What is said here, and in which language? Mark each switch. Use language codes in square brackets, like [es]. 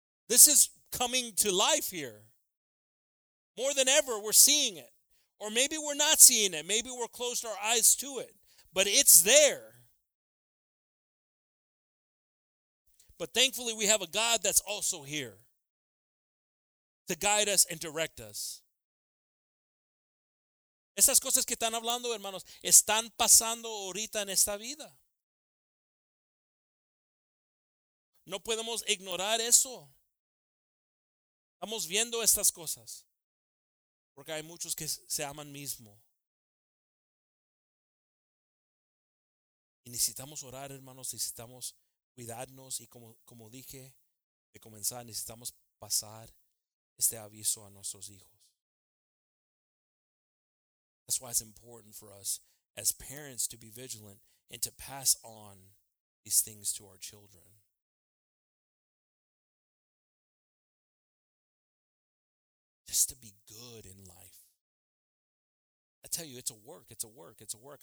[en] This is coming to life here. More than ever, we're seeing it. Or maybe we're not seeing it. Maybe we're closed our eyes to it. But it's there. But thankfully, we have a God that's also here to guide us and direct us. [es] Esas cosas que están hablando, hermanos, están pasando ahorita en esta vida. No podemos ignorar eso. Estamos viendo estas cosas. Porque hay muchos que se aman mismo. Y necesitamos orar, hermanos, necesitamos cuidarnos y como dije de comenzar, necesitamos pasar este aviso a nuestros hijos. [en] That's why it's important for us as parents to be vigilant and to pass on these things to our children. Just to be good in life. I tell you, it's a work. It's a work. It's a work.